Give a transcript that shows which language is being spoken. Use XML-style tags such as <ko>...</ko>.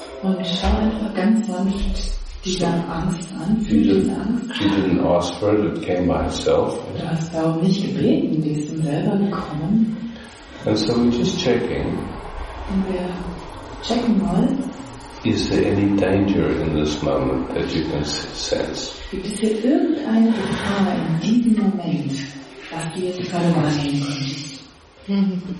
<de>Und schau einfach ganz sanft diese Angst an.</de> <en>She didn't ask for it, it came by itself.</en> <de>Du hast darum nicht gebeten, die ist selber gekommen.</de> <en>And so we're just checking.</en> <de>Und wir checken mal.</de> <en>Is there any danger in this moment that you can sense?</en> <de>Gibt es hier irgendeine Gefahr in diesem Moment, was du jetzt gerade wahrnehmen kannst?</de>